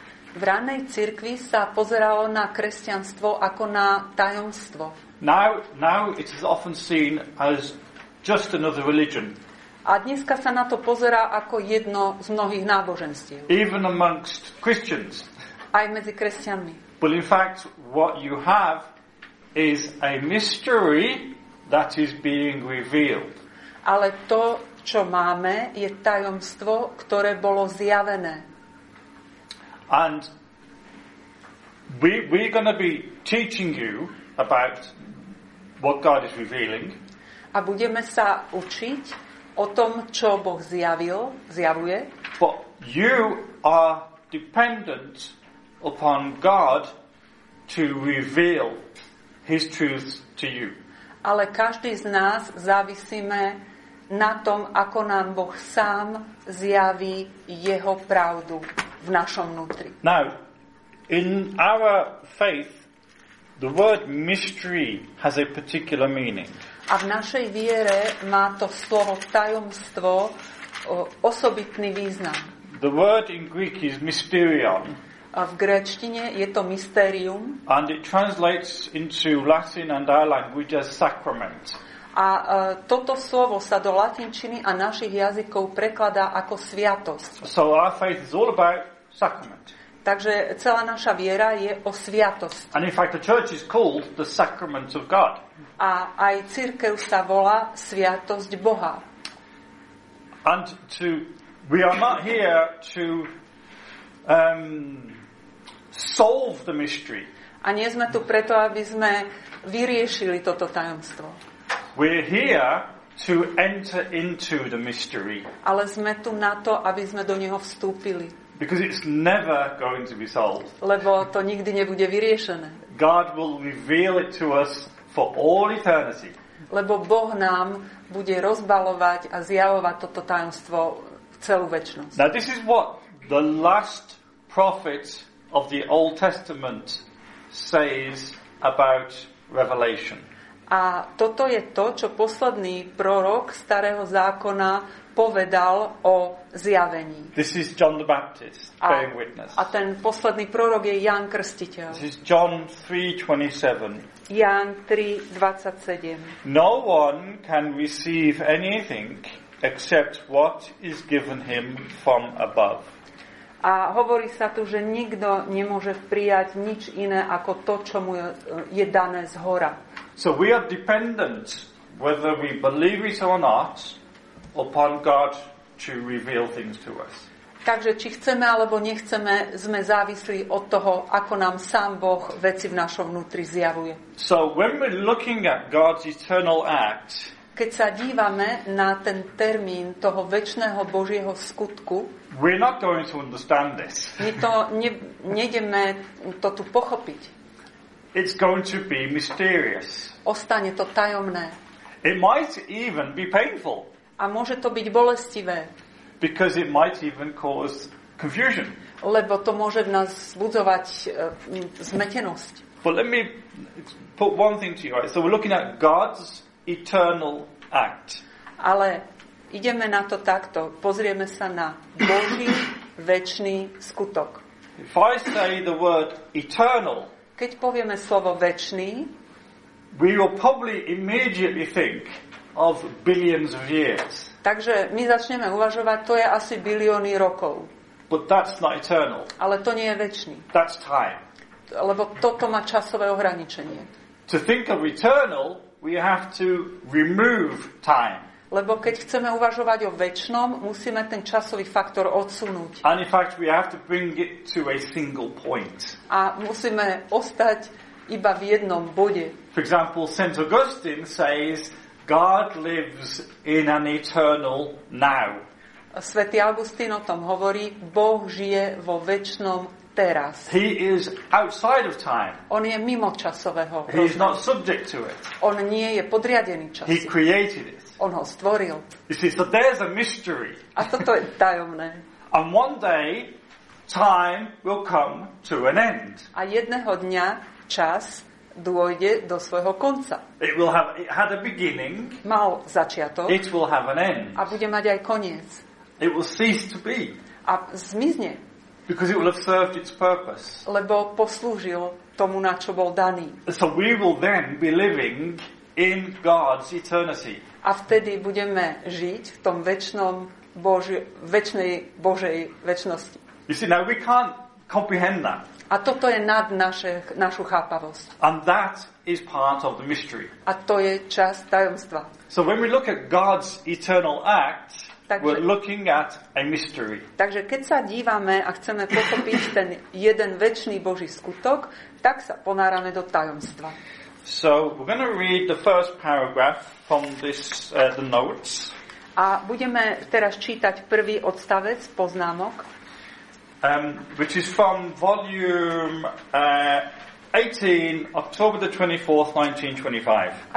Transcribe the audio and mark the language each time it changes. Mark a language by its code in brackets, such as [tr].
[sk] V ranej cirkvi sa pozeralo na kresťanstvo ako na tajomstvo. [en] Now it is often seen as just another religion. [sk] A dneska sa na to pozerá ako jedno z mnohých náboženstiev. [en] Even amongst Christians. [sk] Aj medzi kresťanmi. [en] But in fact, what you have is a mystery that is being revealed. [sk] Ale to, čo máme, je tajomstvo, ktoré bolo zjavené. [en] And we're going to be teaching you about what God is revealing. [sk] A budeme sa učiť o tom, čo Boh zjavuje. [en] But you are dependent upon God to reveal his truths to you. [sk] Ale každý z nás závisíme na tom, ako nám Boh sám zjaví jeho pravdu v našom vnútri. [en] Now, in our faith, the word mystery has a particular meaning. [sk] A v našej viere má to slovo tajomstvo osobitný význam. [en] The word in Greek is mysterion. [sk] A v gréčtine je to mysterium. [en] And it translates into Latin and our language as sacrament. [sk] A toto slovo sa do latinčiny a našich jazykov prekladá ako sviatosť. [en] So our faith is all about sacrament. [sk] Takže celá naša viera je o sviatosti. [en] And in fact the church is called the sacrament of God. [sk] A aj cirkev sa volá sviatosť Boha. [en] And to we are not here to solve the mystery. [sk] A nie sme tu preto, aby sme vyriešili toto tajomstvo. [en] We're here to enter into the mystery. [sk] Ale sme tu na to, aby sme do neho vstúpili. [en] Because it's never going to be solved. [sk] Lebo to nikdy nebude vyriešené. [en] God will reveal it to us for all eternity. [sk] Lebo Boh nám bude rozbalovať a zjavovať toto tajomstvo v celú večnosť. [en] Now this is what the last prophet of the Old Testament says about Revelation. [sk] A toto je to, čo posledný prorok Starého zákona povedal o zjavení. [en] This is John the Baptist bearing witness. [sk] A ten posledný prorok je Ján Krstiteľ. [en] This is John 3:27. [sk] Ján 3:27. [en] No one can receive anything except what is given him from above. [sk] A hovorí sa tu, že nikto nemôže prijať nič iné ako to, čo mu je dané zhora. [en] So we are dependent whether we believe it or not upon God to reveal things to us. [sk] Takže či chceme alebo nechceme, sme závislí od toho, ako nám sám Boh veci v našom vnútri zjavuje. [en] So when we're looking at God's eternal act, [sk] keď sa dívame na ten termín toho večného Božieho skutku, [en] we're not going to understand this. [sk] My to nejdeme to tu pochopiť. [en] It's going to be mysterious. [sk] Ostane to tajomné. [en] It might even be painful. [sk] A môže to byť bolestivé. [en] Because it might even cause confusion. [sk] Lebo to môže v nás vzbudzovať zmetenosť. [en] But let me put one thing to you. So we're looking at God's eternal act. [sk] Ale ideme na to takto. Pozrieme sa na Boží večný skutok. [en] If I say the word eternal, [sk] keď povieme slovo večný, [en] we will probably immediately think of billions of years. [sk] Takže my začneme uvažovať, to je asi bilióny rokov. [en] But that's not eternal. [sk] Ale to nie je večný. [en] That's time. [sk] Lebo toto má časové ohraničenie. [en] To think of eternal, we have to remove time. [sk] Lebo keď chceme uvažovať o večnom, musíme ten časový faktor odsunúť. [en] And in fact, we have to bring it to a single point. [sk] A musíme ostať iba v jednom bode. [en] For example, St. Augustine says God lives in an eternal now. [sk] Svätý Augustín o tom hovorí, Boh žije vo večnom teraz. [en] He is outside of time. [sk] On je mimo časového. [en] He is not subject to it. [sk] On nie je podriadený času. [en] He created it. [sk] On ho stvoril. [en] You see, so there's a mystery. [sk] A toto je tajomné. [en] And one day time will come to an end. [sk] A jedného dňa čas dôjde do svojho konca. [en] It will have, it had a beginning. [sk] Mal začiatok. [en] It will have an end. [sk] A bude mať aj koniec. [en] It will cease to be. [sk] A zmizne. [en] Because it will have served its purpose. [sk] Lebo poslúžil tomu, na čo bol daný. [en] So we will then be living in God's eternity. [sk] A vtedy budeme žiť v tom večnom večnej Božej večnosti. [en] You see, now we can't comprehend that. [sk] A toto je nad našu chápavosť. [en] And that is part of the mystery. [sk] A to je časť tajomstva. [en] So when we look at God's eternal act, [sk] takže, [en] we're looking at a mystery. [sk] Takže keď sa dívame a chceme pochopiť ten jeden večný Boží skutok, tak sa ponárame do tajomstva. [en] So we're going to read the first paragraph from this the notes. [sk] A budeme teraz čítať prvý odstavec poznámok. [en] Which is from volume 18, October the 24th, 1925.